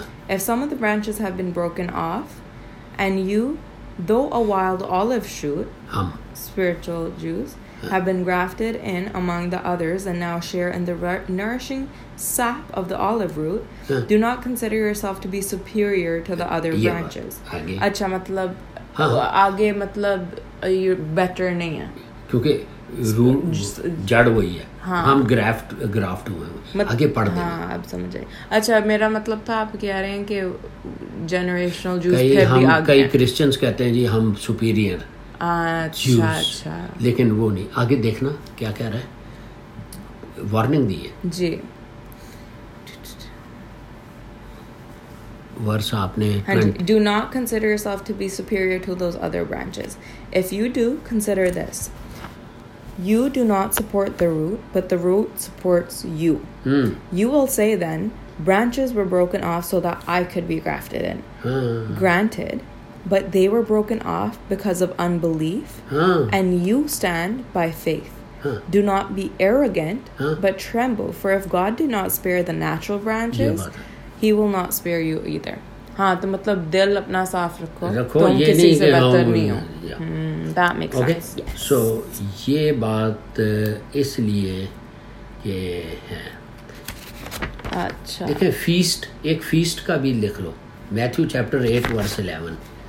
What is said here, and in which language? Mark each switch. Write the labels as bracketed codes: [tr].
[en] If some of the branches have been broken off and you though a wild olive shoot spiritual Jews have been grafted in among the others and now share in the nourishing sap of the olive root, do not consider yourself to be superior to the other branches. [hi] अच्छा मतलब आगे मतलब [en] you better [hi] नहीं है क्योंकि जड़ वही है. हम graft हुए आगे पढ़ दें. हाँ अब समझ आई. अच्छा मेरा मतलब था आप कह रहे हैं कि [en] generational Jews [hi] फिर भी आगे कई Christians कहते हैं जी हम superior. अच्छा लेकिन वो नहीं. आगे देखना क्या कह रहा है. वार्निंग दी है जी. वर्स आपने [en] Do not consider yourself to be superior to those other branches. If you do consider this you do not support the root but the root supports you. You will say then branches were broken off so that I could be grafted in. Granted But they were broken off because of unbelief, and you stand by faith. Do not be arrogant, but tremble. For if God did not spare the natural branches, He will not spare you either. [hi] हाँ तो मतलब दिल अपना साफ रखो. रखो ये नहीं कि हम [en] that makes sense. Yes. [hi] So ये बात इसलिए ये है. अच्छा देखे feast एक feast का भी लिख लो. [en] Matthew chapter 8 verse 11.